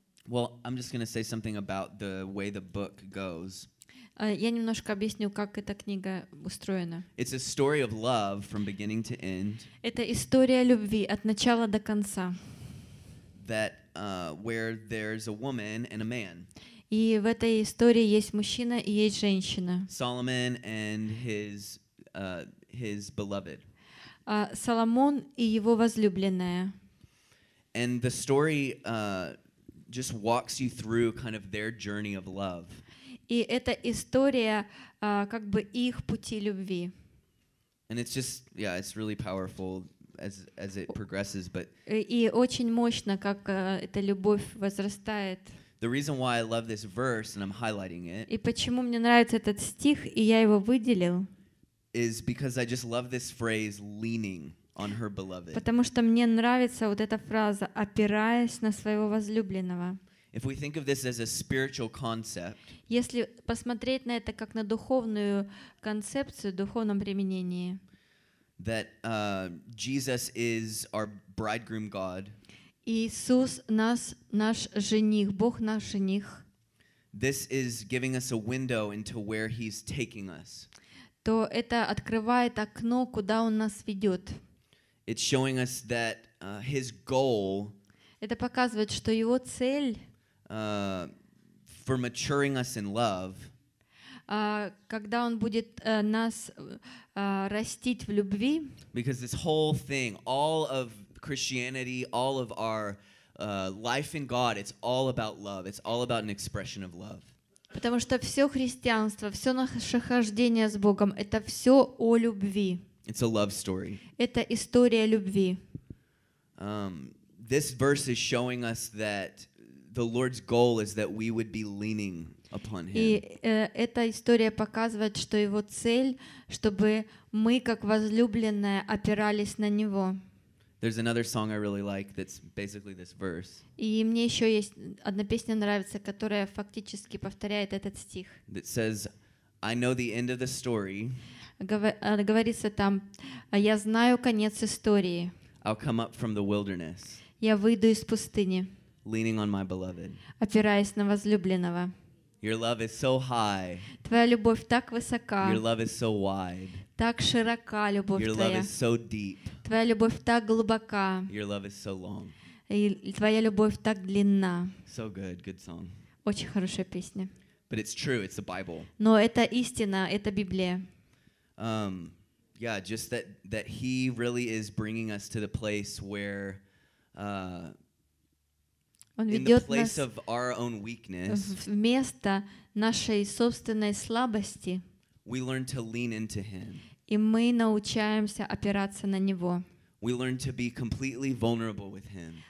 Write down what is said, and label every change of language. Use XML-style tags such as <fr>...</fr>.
<en>Well, I'm just going to say something about the way the book goes.</en> <ru>Я немножко объясню, как эта книга устроена.</ru> <en>It's a story of love from beginning to end.</en> <ru>Это история любви от начала до конца.</ru> <en>That where there's a woman and a man.</en> <ru>И в этой истории есть мужчина и есть женщина.</ru> <en>Solomon and his beloved.</en> <ru>Соломон и его возлюбленная.</ru> <en>And the story just walks you through kind of their journey of love.</en> <ru>И это история как бы их пути любви.</ru> <en>And it's just yeah, it's really powerful as it progresses, but</en> <ru>и очень мощно, как эта любовь возрастает.</ru> <en>The reason why I love this verse and I'm highlighting it.</en> <ru>И почему мне нравится этот стих, и я его выделил.</ru> <en>Is because I just love this phrase leaning on her beloved.</en> <ru>Потому что мне нравится вот эта фраза, опираясь на своего возлюбленного.</ru> <en>If we think of this as a spiritual concept,</en> <ru>если посмотреть на это как на духовную концепцию, в духовном применении,</ru> <en>that Jesus is our bridegroom God,</en> <ru>Иисус нас наш жених, Бог наш жених.</ru> <en>This is giving us a window into where He's taking us.</en> <ru>То это открывает окно, куда Он нас ведет.</ru> <en>It's showing us that His goal.</en> <ru>Это показывает, что Его цель.</ru> <en>For maturing us in love.</en> <ru>Когда Он будет нас растить в любви.</ru> <en>Because this whole thing, all of Christianity, all of our life in God, it's all about love. It's all about an expression of love.</en> <ru>Потому что все христианство, все наше хождение с Богом, это все о любви.</ru> <en>It's a love story.</en> <ru>Это история любви.</ru> <en>This verse is showing us that the Lord's goal is that we would be leaning upon Him.</en> <ru>И эта история показывает, что Его цель, чтобы мы, как возлюбленные, опирались на Него.</ru> <en>There's another song I really like that's basically this verse.</en> <ru>И мне еще есть одна песня нравится, которая фактически повторяет этот стих.</ru> <en>That says, "I know the end of the story."</en> <ru>Говорится там, я знаю конец истории.</ru> <en>I'll come up from the wilderness.</en> <ru>Я выйду из пустыни.</ru> <en>Leaning on my beloved.</en> <ru>Опираясь на возлюбленного.</ru> <en>Your love is so high.</en> <ru>Твоя любовь так высока.</ru> <en>Your love is so wide.</en> <ru>Так широка любовь</ru> <en>Your</en> <ru>твоя.</ru> <en>Love is so deep.</en> <ru>Твоя любовь так глубока.</ru> <en>Your love is so long.</en> <ru>И твоя любовь так длинна.</ru> <en>So good, good song.</en> <ru>Очень хорошая песня.</ru> <en>But it's true, it's the Bible.</en> <ru>Но это истина, это Библия.</ru> <en>Yeah, just that He really is bringing us to the place where</en> <ru>Он ведет</ru> <en>in the place of our own weakness,</en> <ru>вместо нашей собственной слабости,</ru> <en>we learn to lean into Him.</en> <ru>И мы научаемся опираться на Него.</ru> <en>We learn to be completely vulnerable with Him.</en>